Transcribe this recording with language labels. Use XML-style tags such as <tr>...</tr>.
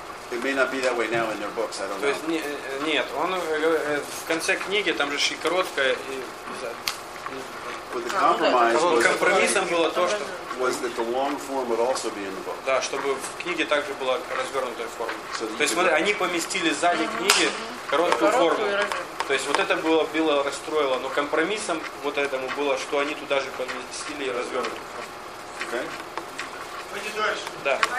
<en>It may not be that way now in their books, I don't know.</en> <ru>То есть нет, он в конце книги, там же ещё короткая и компромиссом было то, что</ru> <en>was that the long form would also be in the book.</en> <ru>Да, чтобы в книге также была развернутая форма. То есть смотри, они поместили сзади книги короткую форму. То есть вот это было Билла расстроило, но компромиссом вот этому было, что они туда же поместили и развернули. Окей. Пойдем дальше. Да.</ru>